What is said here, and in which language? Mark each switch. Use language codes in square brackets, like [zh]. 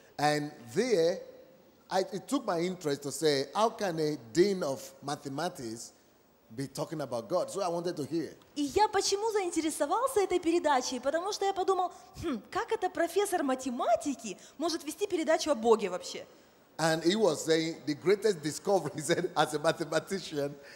[en] And there, it took my interest to say, how can a dean of mathematics be talking about God? So I wanted to hear. [ru] И я почему заинтересовался этой передачей? Потому что я подумал, как это профессор математики может вести передачу о Боге вообще? [en] And he was saying the greatest discovery, he said, as a mathematician,